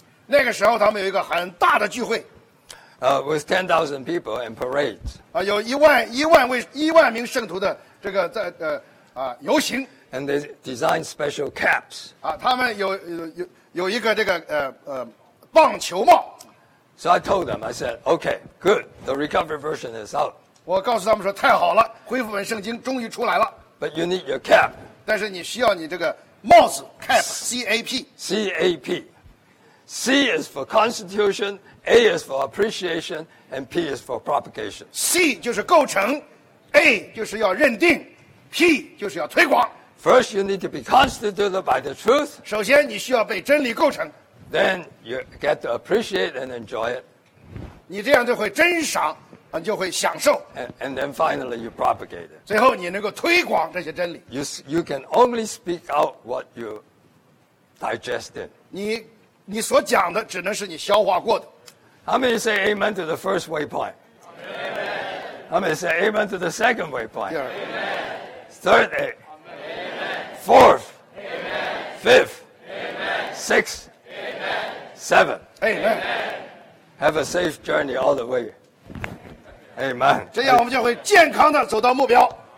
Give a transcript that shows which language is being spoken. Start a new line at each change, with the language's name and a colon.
Chinese: 那个时候他们有一个很大的聚会。
English: With 10,000 people and parades.
Chinese: 啊，有一万名圣徒的这个在游行。
English: And they designed special caps.
Chinese: 啊，他们有一个这个棒球帽。
English: So I told them, I said, okay, good, the recovered version is out.
Chinese: 我告诉他们说，太好了，恢复本圣经终于出来了。
English: But you need your cap.
Chinese: 但是你需要你这个帽子 cap C A P.
English: C A P. C is for Constitution. A is for appreciation and P is for propagation.
Chinese: C 就是构成 ，A 就是要认定 ，P 就是要推广。
English: First, you need to be constituted by the truth.
Chinese: 首先，你需要被真理构成。
English: Then you get to appreciate and enjoy it.
Chinese: 你这样就会珍赏，你就会享受。
English: And then finally, you propagate it.
Chinese: 最后，你能够推广这些真理。
English: You can only speak out what you digest in.
Chinese: 你所讲的只能是你消化过的。
English: How many say amen to the first waypoint? Amen. How many say amen to the second waypoint? Amen. Third, amen. Fourth, amen. Fifth, amen. Sixth, amen. Seventh, amen. Have a safe journey all the way. Amen.
Chinese: 这样我们就会健康的走到目标。